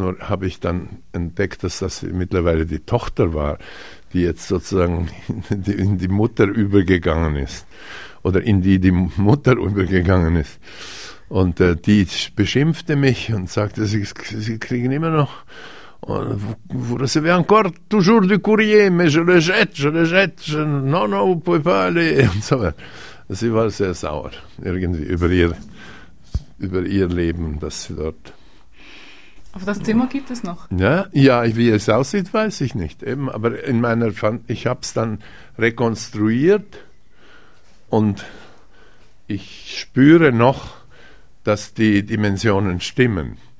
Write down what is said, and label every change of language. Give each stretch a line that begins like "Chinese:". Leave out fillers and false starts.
German: Nur habe ich dann entdeckt, dass das mittlerweile die Tochter war, die jetzt sozusagen in die Mutter übergegangen ist. Oder in die Mutter übergegangen ist. Und die beschimpfte mich und sagte, sie kriegen immer noch... Und
French: vous recevez encore toujours du courrier, mais je le jette, non, non, vous pouvez pas aller.
German: Und so weiter. Sie war sehr sauer, irgendwie über ihr Leben, das sie dort... Aber das Zimmer gibt es noch? Ja, wie es aussieht, weiß ich nicht. Eben, aber in meiner ich habe es dann rekonstruiert und ich spüre noch, dass die Dimensionen stimmen.